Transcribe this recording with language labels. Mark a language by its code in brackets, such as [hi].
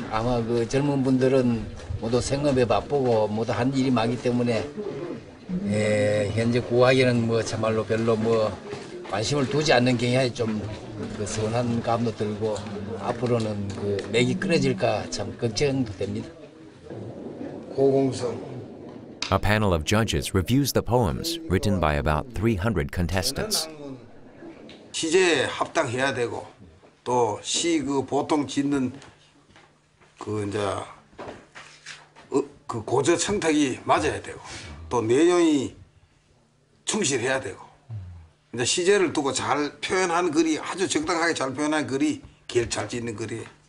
[ko] 아마 그 젊은 분들은 모두 생업에 바쁘고 모두 한 일이 많기 때문에 예, 현재 구하기는 뭐 참말로 별로 뭐 관심을 두지 않는 경향이 좀 그 서운한 감도 들고 앞으로는 그 맥이 끊어질까 참 걱정도 됩니다. 고공성. [en] A panel of judges reviews the poems written by about 300 contestants. [ko] 시제 합당해야 되고 또 시 그 보통 짓는 그 이제 그 고저 청탁이 맞아야 되고 또 내용이 충실해야 되고 이제 시제를 두고 잘 표현한 글이 아주 적당하게 잘 표현한 글이 길 잘 짓는 글이.